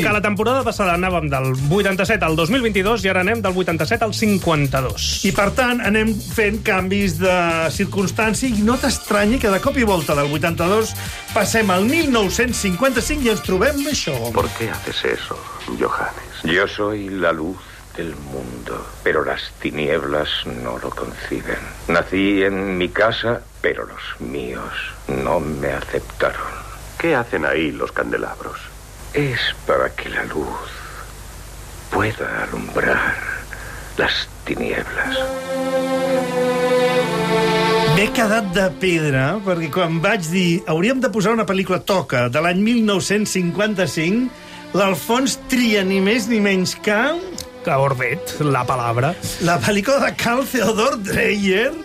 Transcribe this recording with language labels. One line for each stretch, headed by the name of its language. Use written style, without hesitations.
Catalan: Que la temporada passada anàvem del 87 al 2022 i ara anem del 87 al 52. I, per tant, anem fent canvis de circumstància i no t'estranyi que de cop i volta del 82 passem al 1955 i ens trobem això.
Spanish: ¿Por qué haces eso, Johannes? Yo soy la luz del mundo, pero las tinieblas no lo conciben. Nací en mi casa, pero los míos no me aceptaron. ¿Qué hacen ahí los candelabros? Es para que la luz pueda alumbrar las tinieblas.
Catalan: M'he quedat de pedra, perquè quan vaig dir hauríem de posar una pel·lícula toca de l'any 1955, l'Alfons tria ni més ni menys que...
Spanish: que Orbet, la palabra.
Catalan: La pel·lícula de Carl Theodor Dreyer.